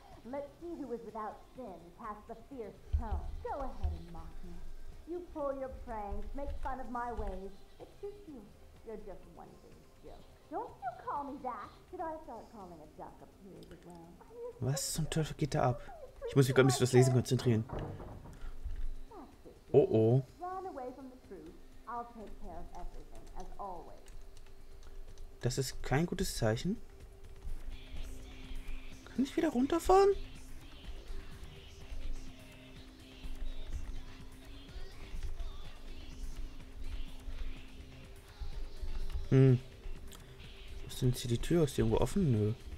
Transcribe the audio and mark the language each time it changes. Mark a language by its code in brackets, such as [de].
[en] Let's see who is without sin, past the fierce tone. Go ahead and mock me. You pull your pranks, make fun of my ways. It suits you. You're just one big joke. Don't you call me that. Did I start calling a duck a pig as well? [de] Was zum Teufel geht da ab? Ich muss mich gerade ein bisschen auf das Lesen konzentrieren. [en] Oh oh. Run away from the truth. I'll take care of everything, as always. [de] Das ist kein gutes Zeichen. Kann ich wieder runterfahren? Hm. Ist denn jetzt hier die Tür? Ist die irgendwo offen? Nö.